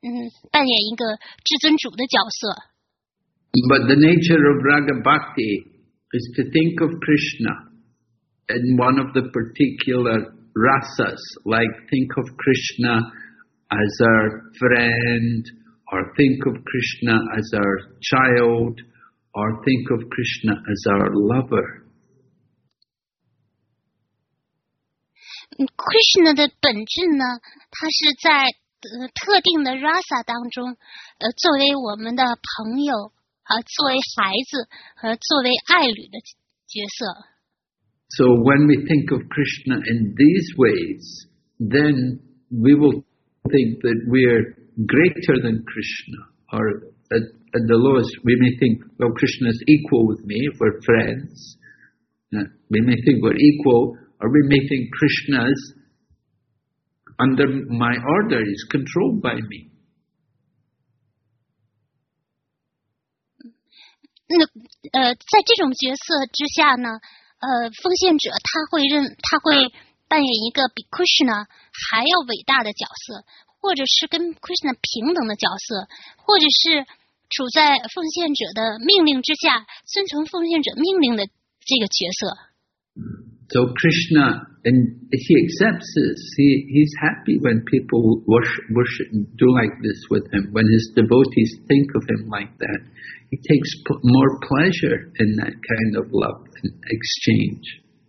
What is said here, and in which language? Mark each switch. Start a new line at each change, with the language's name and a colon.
Chinese: 扮演一个至尊主的角色。
English: But the nature of Raga Bhakti is to think of Krishna in one of the particular rasas, like think of Krishna as our friend, or think of Krishna as our child, or think of Krishna as our lover.
Chinese: Krishna 的本质呢，它是在特定的 rasa 当中，作为我们的朋友。作为孩子和作为爱侣的角色。
English: So when we think of Krishna in these ways, then we will think that we are greater than Krishna. Or at the lowest, we may think, well, Krishna is equal with me, if we're friends. We may think we're equal, or we may think Krishna is under my order, is controlled by me.
Chinese: 那在这种角色之下呢，奉献者他会扮演一个比 Krishna 还要伟大的角色，或者是跟 Krishna 平等的角色，或者是处在奉献者的命令之下，遵从奉献者命令的这个角色。
English: So Krishna, and he accepts this. He's happy when people worship, do like this with him, when his devotees think of him like that. He takes more pleasure in that kind of love and exchange.